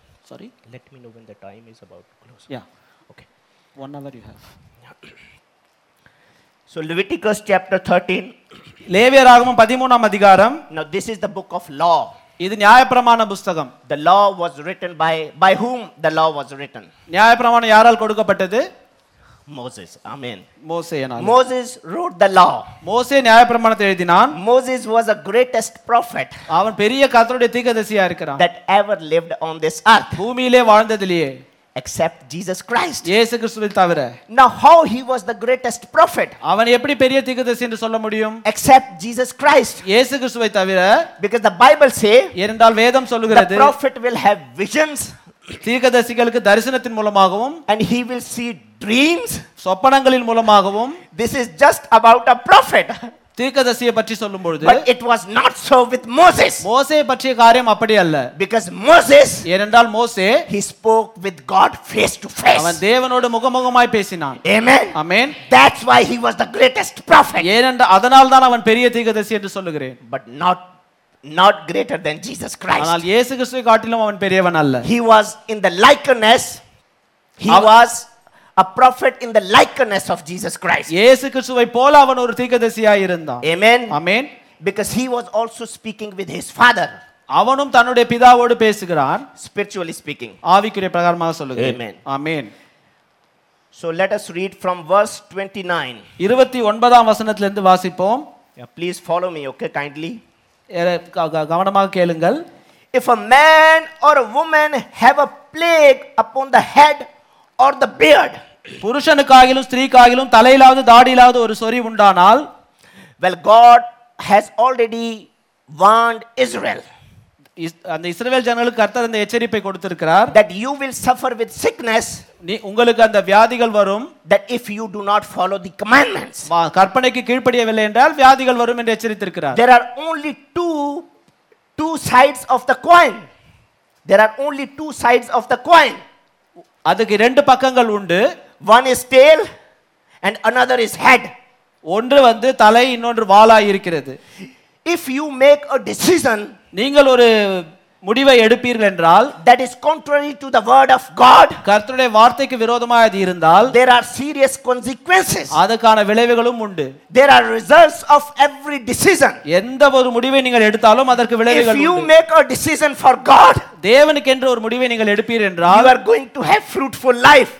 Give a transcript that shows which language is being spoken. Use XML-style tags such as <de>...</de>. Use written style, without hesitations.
<en>Let me know when the time is about close. Yeah. Okay. 1 hour you have. So Leviticus chapter 13.</en> <ta>லேவியராகமம் 13 அதிகாரம்.</ta> <en>Now this is the book of law.</en> <ta>இது நியாயப்பிரமாண புத்தகம்.</ta> <en>The law was written by whom the law was written?</en> <ta>நியாயப்பிரமாணம் யாரால் கொடுக்கப்பட்டது?</ta> <en>Moses. Amen.</en> <ta>மோசே.</ta> <en>Moses wrote the law.</en> <ta>மோசே நியாயப்பிரமாணத்தை எழுதினான்.</ta> <en>Moses was a greatest prophet.</en> <ta>அவன் பெரிய கர்த்தருடைய தீர்க்கதரிசியா இருக்கிறான்.</ta> <en>That ever lived on this earth.</en> <ta>பூமியிலே வாழ்ந்ததிலேயே.</ta> <en>Except Jesus Christ.</en> <ta>இயேசு கிறிஸ்துவை தவிர.</ta> <en>Now how he was the greatest prophet?</en> <ta>அவன் எப்படி பெரிய தீர்க்கதரிசி என்று சொல்ல முடியும்?</ta> <en>Except Jesus Christ.</en> <ta>இயேசு கிறிஸ்துவை தவிர.</ta> <en>Because the Bible say.</en> <ta>ஏனென்றால் வேதம் சொல்கிறது.</ta> <en>The prophet will have visions.</en> <ta>தீர்க்கதரிசிகளுக்கு தரிசனத்தின் மூலமாகவும்.</ta> <en>And he will see dreams.</en> <ta>சொப்பனங்களின் மூலமாகவும்.</ta> <en>This is just about a prophet.</en> <ta>தீர்க்கதரிசியை பற்றி சொல்லும் பொழுது.</ta> <en>But it was not so with Moses.</en> <ta>மோசே பற்றிய காரியம் அப்படி அல்ல.</ta> <en>Because Moses.</en> <ta>ஏனென்றால் மோசே.</ta> <en>He spoke with God face to face.</en> <ta>அவன் தேவனோடு முகமுகமாய் பேசினான்.</ta> <en>Amen. Amen. That's why he was the greatest prophet.</en> <ta>ஏனென்றால் அதனால் தான் அவன் பெரிய தீர்க்கதரிசி என்று சொல்லுகிறேன்.</ta> <en>But not greater than Jesus Christ.</en> <ta>ஆனால் இயேசு கிறிஸ்துவை காட்டிலும் அவன் பெரியவன் அல்ல.</ta> <en>He was in the likeness. He was a prophet in the likeness of Jesus Christ.</en> <ta>இயேசு கிறிஸ்துவை போல அவன் ஒரு தீர்க்கதரிசியாய் இருந்தான்.</ta> <en>Amen. Amen. Because he was also speaking with his father.</en> <ta>அவனும் தன்னுடைய பிதாவோடு பேசுகிறான்.</ta> <en>Spiritually speaking.</en> <ta>ஆவிக்குரிய பிரகாரமாக சொல்லுகிறேன்.</ta> <en>Amen. Amen. So let us read from verse 29.</en> <ta>29 ஆம் வசனத்திலிருந்து வாசிப்போம்.</ta> <en>Yeah, please follow me, okay, kindly.</en> <ta>கவனமாக கேளுங்கள்.</ta> <en>If a man or a woman have a plague upon the head or the beard,</en> <ta>புருஷனுக்காகிலும் ஸ்திரீக்காகிலும் தலையிலாவது தாடியிலாவது ஒரு சொறி உண்டானால்,</ta> <en>well, God has already warned Israel.</en> <ta>அந்த இஸ்ரவேல் ஜனங்களுக்கு கர்த்தர் அந்த எச்சரிப்பை கொடுத்திருக்கிறார்.</ta> <en>That you will suffer with sickness.</en> <ta>நீ உங்களுக்கு அந்த வியாதிகள் வரும்.</ta> <en>That if you do not follow the commandments.</en> <ta>கற்பனைக்கு கீழ்ப்படியவில்லை என்றால் வியாதிகள் வரும் என்று எச்சரித்திருக்கிறார்.</ta> <en>There are only two sides of the coin. There are only two sides of the coin.</en> <ta>அதுக்கு இரண்டு பக்கங்கள் உண்டு.</ta> <en>One is tail and another is head.</en> <ta>ஒன்று வந்து தலை, இன்னொன்று வாலாய் இருக்கிறது.</ta> <en>If you make a decision,</en> <ta>நீங்கள் ஒரு முடிவை எடுப்பீர்கள் என்றால்,</ta> <en>that is contrary to the word of God,</en> <ta>கர்த்தருடைய வார்த்தைக்கு விரோதமாக அது இருந்தால்,</ta> <en>there are serious consequences,</en> <ta>அதற்கான விளைவுகளும் உண்டு.</ta> <en>There are results of every decision.</en> <ta>எந்த ஒரு முடிவை நீங்கள் எடுத்தாலும் அதற்கு விளைவுகள் உண்டு.</ta> <en>If you make a decision for God,</en> <ta>தேவனுக்கென்று ஒரு முடிவை நீங்கள் எடுப்பீர் என்றால்,</ta> <en>you are going to have fruitful life.</en>